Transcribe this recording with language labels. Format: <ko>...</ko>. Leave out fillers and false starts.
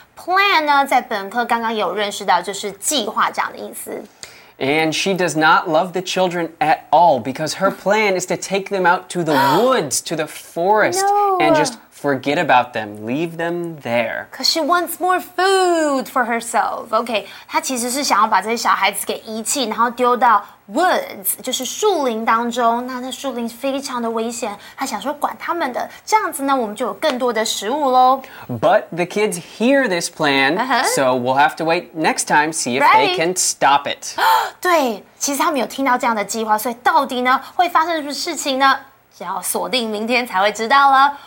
<zh>Plan 呢，在本科刚刚有认识到，就是计划这样的意思。</zh> <en>And she does not love the children at all because her plan is to take them out to the woods, to the forest, and just forget about them, leave them there. Because she wants more food for herself.</en> <zh>Okay, 她其实是想要把这些小孩子给遗弃，然后丢到 woods, 就是树林当中。那树林非常的危险，她想说管他们的，这样子呢，我们就有更多的食物咯。</zh> <en>But the kids hear this plan, so we'll have to wait next time, see if they can stop it.</en> <zh>对，其实他们有听到这样的计划，所以到底呢，会发生什么事情呢？只要锁定明天才会知道了。</zh>